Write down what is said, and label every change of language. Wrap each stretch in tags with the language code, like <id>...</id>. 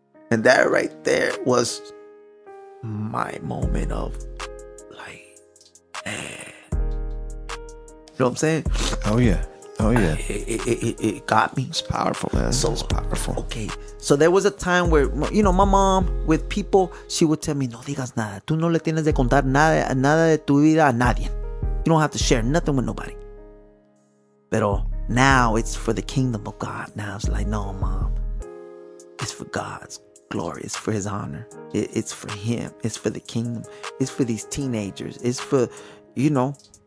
<en>And that right there was my moment of like, man. You know what I'm saying? Oh, yeah. Oh, yeah. It got me. It's powerful, man. So it's powerful. Okay. So there was a time where, you know, my mom, with people, she would tell me,</en> <es>no digas nada. Tú no le tienes de contar nada de tu vida a nadie.</es> <en>You don't have to share nothing with nobody.</en> <es>Pero</es> <en>now it's for the kingdom of God. Now it's like, no, mom. It's for God's glory. It's for his honor. It's for him. It's for the kingdom. It's for these teenagers. It's for, you know.</en>